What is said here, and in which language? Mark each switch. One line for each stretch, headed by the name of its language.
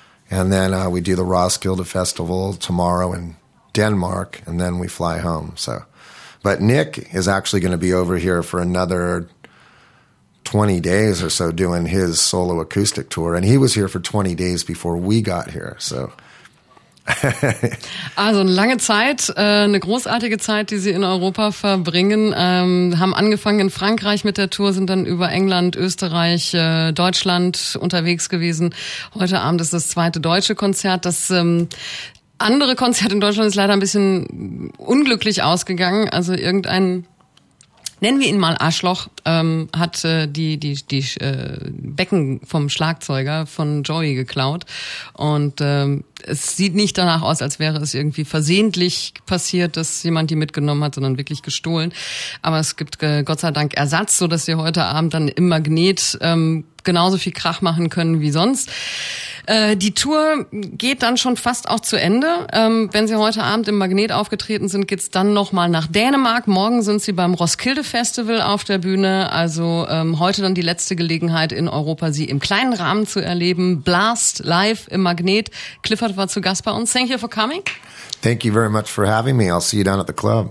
English: And then we do the Roskilde Festival tomorrow in Denmark, and then we fly home. So, but Nick is actually going to be over here for another 20 days or so doing his solo acoustic tour, and he was here for 20 days before we got here, so...
German: Also eine lange Zeit, eine großartige Zeit, die sie in Europa verbringen. Haben angefangen in Frankreich mit der Tour, sind dann über England, Österreich, Deutschland unterwegs gewesen. Heute Abend ist das zweite deutsche Konzert. Das andere Konzert in Deutschland ist leider ein bisschen unglücklich ausgegangen. Also irgendein, nennen wir ihn mal Arschloch, hat die Becken vom Schlagzeuger von Joey geklaut. Und es sieht nicht danach aus, als wäre es irgendwie versehentlich passiert, dass jemand die mitgenommen hat, sondern wirklich gestohlen. Aber es gibt Gott sei Dank Ersatz, so dass sie heute Abend dann im Magnet genauso viel Krach machen können wie sonst. Die Tour geht dann schon fast auch zu Ende. Wenn sie heute Abend im Magnet aufgetreten sind, geht's dann nochmal nach Dänemark. Morgen sind sie beim Roskilde Festival auf der Bühne. Also heute dann die letzte Gelegenheit in Europa, sie im kleinen Rahmen zu erleben. Blast live im Magnet. Clifford war zu Gast bei uns.
English: Thank you for coming. Thank you very much for having me. I'll see you down at the club.